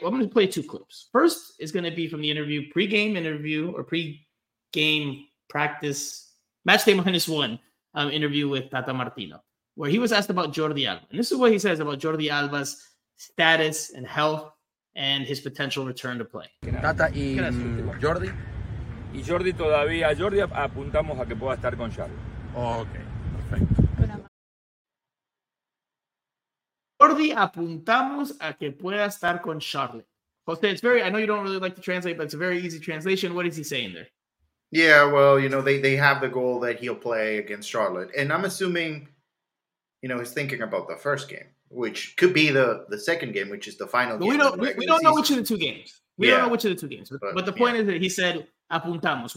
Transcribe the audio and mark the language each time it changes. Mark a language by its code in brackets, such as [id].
[en] Well, I'm going to play two clips. First is going to be from the interview, pre-game interview or pre-game practice, match day minus one interview with Tata Martino, where he was asked about Jordi Alba. And this is what he says about Jordi Alba's status and health and his potential return to play. [es] Tata y Jordi. Y Jordi todavía, Jordi apuntamos a que pueda estar con Xavi. Jordi apuntamos a que pueda estar con Charlotte. [en] Jose, it's very, I know you don't really like to translate, but it's a very easy translation. What is he saying there? Yeah, well, you know, they have the goal that he'll play against Charlotte. And I'm assuming, you know, he's thinking about the first game, which could be the second game, which is the final game. We don't know which of the two games. We don't know which of the two games. But the point is that he said, [es] apuntamos.